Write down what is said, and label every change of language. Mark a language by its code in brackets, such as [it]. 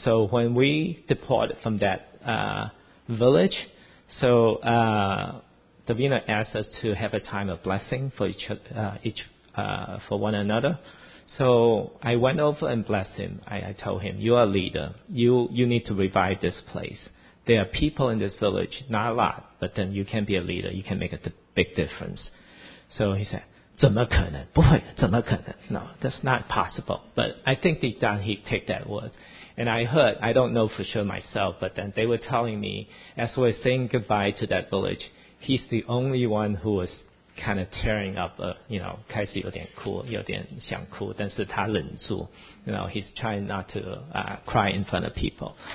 [en] So when we departed from that village, so Davina asked us to have a time of blessing for each for one another. So I went over and blessed him. I told him, you are a leader. You need to revive this place. There are people in this village, not a lot, but then you can be a leader. You can make a big difference. So he said, [zh] 怎么可能？不会，怎么可能? [en] No, that's not possible. But I think deep down he'd take that word. And I heard, I don't know for sure myself, but then they were telling me, as we were saying goodbye to that village, he's the only one who was kind of tearing up, you know, [zh] 开始有点哭，但是他忍住, [en] you know, he's trying not to cry in front of people.